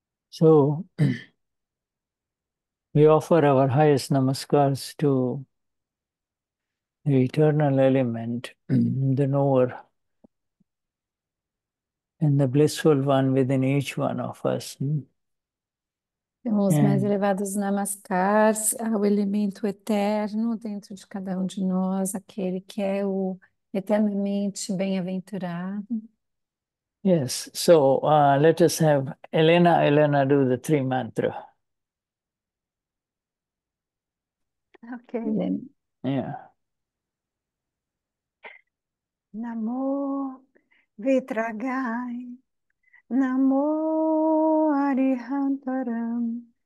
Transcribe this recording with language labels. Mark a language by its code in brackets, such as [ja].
[en] So, we offer our highest namaskars to the eternal element, the knower, and the blissful one within each one of us. [pt] Temos mais [en] And [pt] elevados namaskars ao elemento eterno dentro de cada um de nós, aquele que é o eternamente bem-aventurado. [en] yes, so let us have Elena do the three mantra. Ok. Yeah. [pra] Namo Vitragai, Namo Arihantaram.